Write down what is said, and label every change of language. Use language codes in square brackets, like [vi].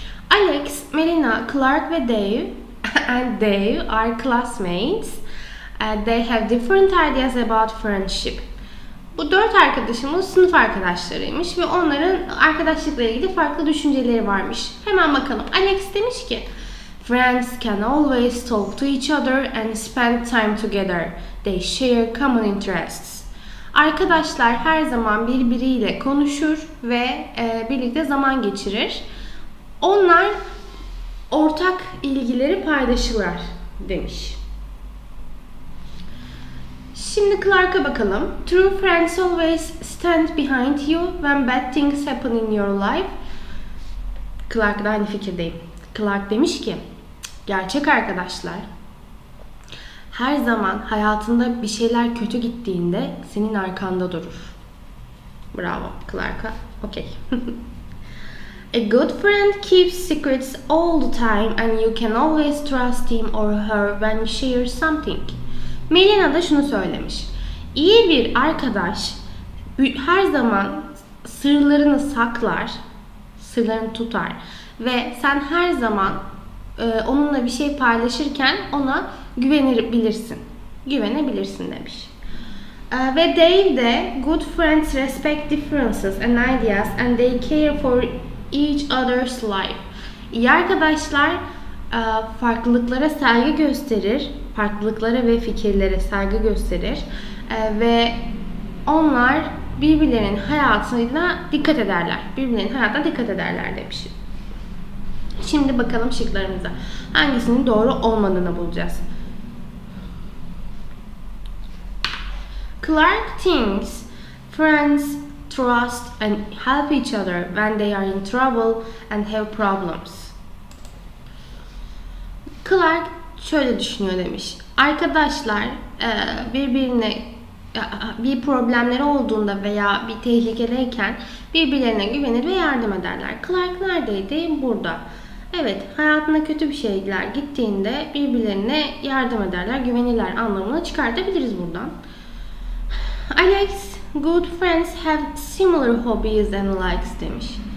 [en] Alex, Melina, Clark ve Dave and Dave are classmates. They have different ideas about friendship. [tr] Bu dört arkadaşımız sınıf arkadaşlarıymış ve onların arkadaşlıkla ilgili farklı düşünceleri varmış. Hemen bakalım. Alex demiş ki, [en] friends can always talk to each other and spend time together. They share common interests. [tr] Arkadaşlar her zaman birbiriyle konuşur ve birlikte zaman geçirir. Onlar ortak ilgileri paylaşırlar demiş. Şimdi Clark'a bakalım. [en] True friends always stand behind you when bad things happen in your life. [tr] Clark da aynı fikirdeyim. Clark demiş ki, gerçek arkadaşlar her zaman hayatında bir şeyler kötü gittiğinde senin arkanda durur. Bravo Clark'a. Okay. [en] A good friend keeps secrets all the time and you can always trust him or her when you share something. [tr] Melina da şunu söylemiş. İyi bir arkadaş her zaman sırlarını saklar, sırlarını tutar ve sen her zaman onunla bir şey paylaşırken ona güvenebilirsin. Güvenebilirsin demiş. Ve Dave de [en] good friends respect differences and ideas and they care for each other's life. [tr] İyi arkadaşlar farklılıklara saygı gösterir. Farklılıklara ve fikirlere saygı gösterir. Ve onlar birbirlerinin hayatına dikkat ederler. Birbirlerinin hayatına dikkat ederler demiş. Şimdi bakalım şıklarımıza. Hangisinin doğru olmadığını bulacağız. [en] Clark thinks friends trust and help each other when they are in trouble and have problems. [tr] Clark şöyle düşünüyor demiş. Arkadaşlar birbirine bir problemleri olduğunda veya bir tehlikedeyken birbirlerine güvenir ve yardım ederler. Clark neredeydi? Burada. Evet, hayatında kötü bir şeyler gittiğinde birbirlerine yardım ederler, güvenirler anlamını çıkartabiliriz buradan. [en] Alex, good friends have similar hobbies and likes demiş.